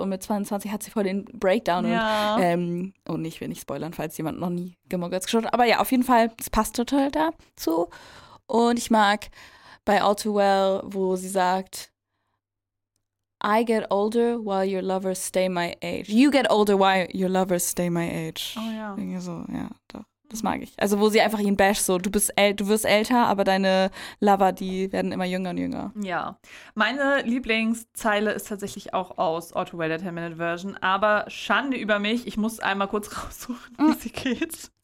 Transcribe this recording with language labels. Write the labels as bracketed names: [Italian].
[German] Und mit 22 hat sie voll den Breakdown. Ja. Und ich will nicht spoilern, falls jemand noch nie Gilmore Girls geschaut hat. Aber ja, auf jeden Fall, es passt total dazu. Und ich mag bei All Too Well, wo sie sagt, [English] I get older while your lovers stay my age. You get older while your lovers stay my age. [German] Oh ja. Irgendwie so, ja, doch. Das mag ich. Also wo sie einfach ihn basht, so du wirst älter, aber deine Lover, die werden immer jünger und jünger. Ja. Meine Lieblingszeile ist tatsächlich auch aus All Too Well, der 10-Minute-Version, aber Schande über mich, ich muss einmal kurz raussuchen, wie sie geht.